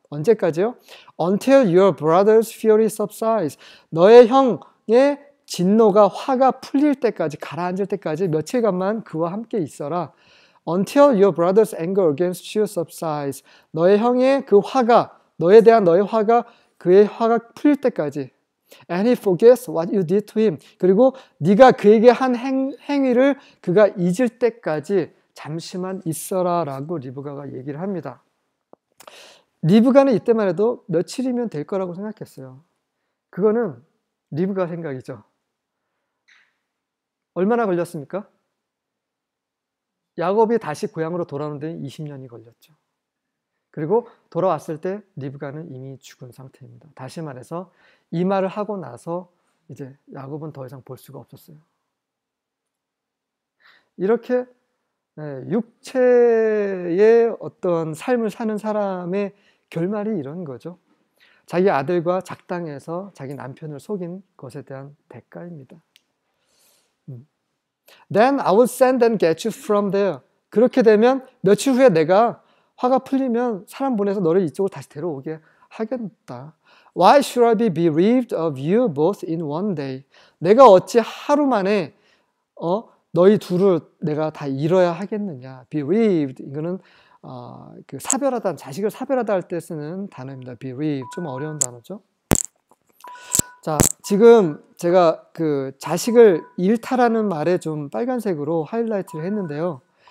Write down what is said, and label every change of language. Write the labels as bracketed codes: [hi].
[ko] 언제까지요? [en] Until your brother's fury subsides. [ko] 너의 형의 진노가 화가 풀릴 때까지 가라앉을 때까지 며칠간만 그와 함께 있어라. [en] Until your brother's anger against you subsides. [ko] 너의 형의 그 화가 너에 대한 너의 화가 그의 화가 풀릴 때까지. [en] And he forgets what you did to him. [ko] 그리고 네가 그에게 한 행위를 그가 잊을 때까지 잠시만 있어라 라고 리브가가 얘기를 합니다. 리브가는 이때만 해도 며칠이면 될 거라고 생각했어요. 그거는 리브가 생각이죠. 얼마나 걸렸습니까? 야곱이 다시 고향으로 돌아오는 데 20년이 걸렸죠. 그리고 돌아왔을 때 리브가는 이미 죽은 상태입니다. 다시 말해서 이 말을 하고 나서 이제 야곱은 더 이상 볼 수가 없었어요. 이렇게 육체의 어떤 삶을 사는 사람의 결말이 이런 거죠. 자기 아들과 작당해서 자기 남편을 속인 것에 대한 대가입니다. [en] Then I will send and get you from there. [ko] 그렇게 되면 며칠 후에 내가 화가 풀리면 사람 보내서 너를 이쪽으로 다시 데려오게 하겠다. [en] Why should I be bereaved of you both in one day? [ko] 내가 어찌 하루 만에 너희 둘을 내가 다 잃어야 하겠느냐? Bereaved 이거는 그 사별하다, 자식을 사별하다 할 때 쓰는 단어입니다. Bereaved 좀 어려운 단어죠. 자, 지금 제가 그 자식을 잃다라는 말에 좀 빨간색으로 하이라이트를 했는데요.